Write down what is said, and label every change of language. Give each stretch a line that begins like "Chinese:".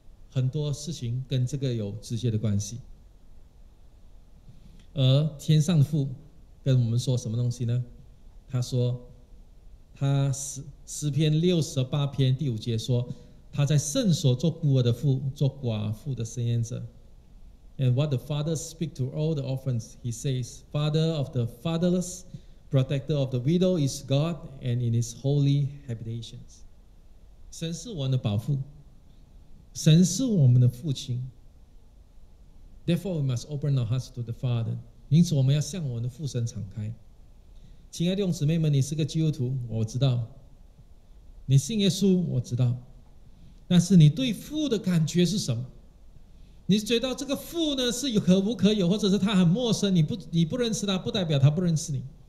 Chinese: 很多事情跟这个有直接的关系。而天上父跟我们说什么东西呢？他说他 诗篇68篇第5节说他在圣所做孤儿的父，做寡妇的申言者。
English: And what the father speaks to all the orphans, he says, Father of the fatherless, protector of the widow is God, and in his holy habitations.
Chinese: 神是我们的保护，神是我们的父亲。
English: Therefore we must open our hearts to the Father.
Chinese: 因此我们要向我们的父神敞开。亲爱的兄姊妹们，你是个基督徒，我知道你信耶稣，我知道，但是你对父的感觉是什么？你觉得这个父呢是有可无可有，或者是他很陌生，你不认识他，不代表他不认识你。